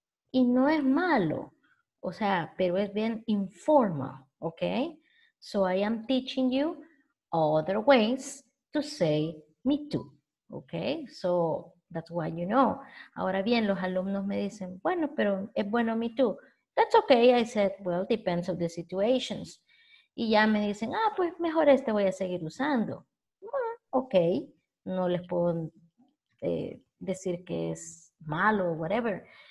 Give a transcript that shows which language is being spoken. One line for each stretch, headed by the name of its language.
Spanish: Y no es malo. O sea, pero es bien informal, ¿ok?
English: So, I am teaching you other ways to say me too, ¿ok? So, that's why you know.
Spanish: Ahora bien, los alumnos me dicen, bueno, pero es bueno
English: me too. That's okay, I said, well, depends on the situations.
Spanish: Y ya me dicen, pues mejor este voy a seguir usando. Ok, no les puedo decir que es malo o whatever.